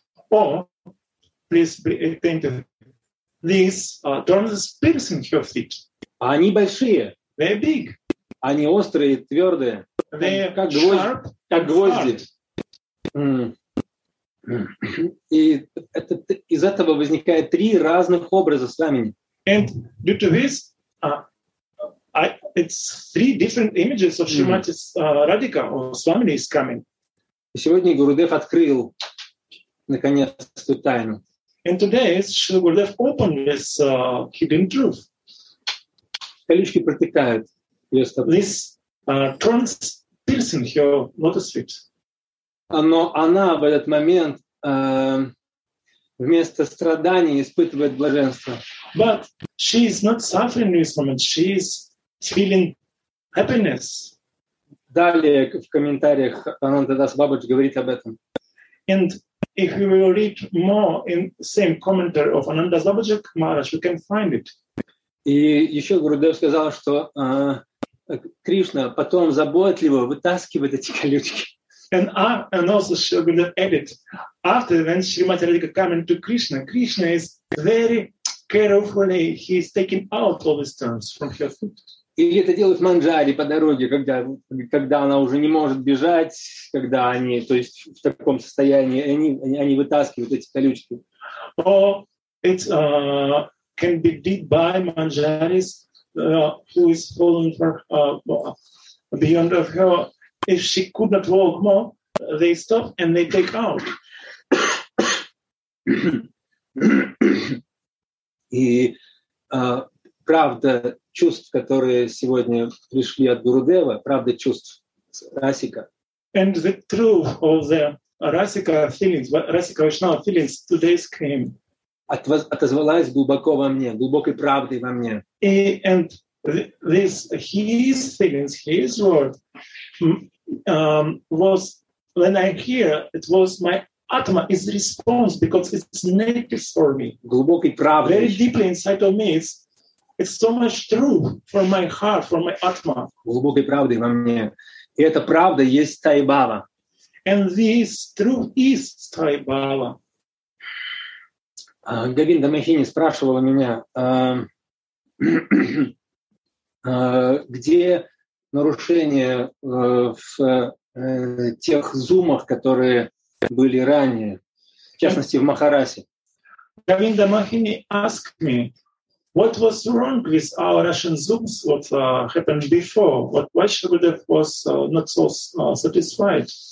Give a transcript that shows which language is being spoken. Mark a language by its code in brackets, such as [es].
[en] Or, please be attentive. These turns are piercing her feet. [ru] Они большие. [en] They're big. [ru] Они острые, твердые. [en] They're [ru] как [en] sharp. [ru] Гвозди, как гвозди. Mm. И это, из этого возникает три разных образа с вами. [en] And due to this, it's three different images of Shrimati Radhika or Swamini is coming. [ru] Сегодня Гурудев открыл наконец эту тайну. [en] And today Shri Gurudev opened this hidden truth. [ru] Колючки протыкают ее стопу. [en] This turns piercing her lotus feet. [ru] Но она в этот момент вместо страдания испытывает блаженство. [en] But she is not suffering in this moment. She is feeling happiness. [ru] Далее в комментариях Ананда Дас Бабаджи говорит об этом. [en] And if we will read more in same commentary of Ananda Babaji Maharaj, we can find it. [ru] И еще Гурудев сказал, что Кришна потом заботливо вытаскивает эти колючки. [en] And also Shri Gurudev added, after when Shrimati Radhika coming to Krishna, Krishna is very carefully, he is taking out all these stones from her foot. [ru] Или это делают в Манджаре по дороге, когда она уже не может бежать, когда они, то есть в таком состоянии, они вытаскивают эти колючки. [en] Or it can be did by Manjaris, who is falling for, beyond of her. If she could not walk more, they stop and they take out. [ru] И правда чувств, которые сегодня пришли от Гурудева, правда чувств Расика. [en] And the truth of the Rasika feelings, Rasika Vaishnava feelings today came. [ru] Отозвалась глубоко во мне, глубокой правдой во мне. [en] And this his feelings, his word was when I hear it was my Atma is response because it's native for me. [ru] Глубокой правдой. [en] Very deeply inside of me is it's so much true from my heart, from my atma. [ru] Глубокой правды во мне. И эта правда есть Стай Бава. [en] And this truth is Стай Бава. [ru] Говинда Махини спрашивала меня, где нарушение в тех зумах, которые были ранее, в частности, в Махарасе. [en] Говинда Махини asked me, what was wrong with our Russian Zooms, what happened before? What, why Shagudev was not so satisfied?